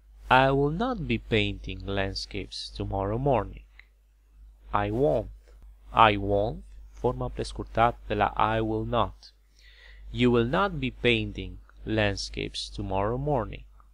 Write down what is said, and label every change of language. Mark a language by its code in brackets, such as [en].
[en] I will not be painting landscapes tomorrow morning. I won't, [ro] forma prescurtată de la [en] I will not. You will not be painting landscapes tomorrow morning.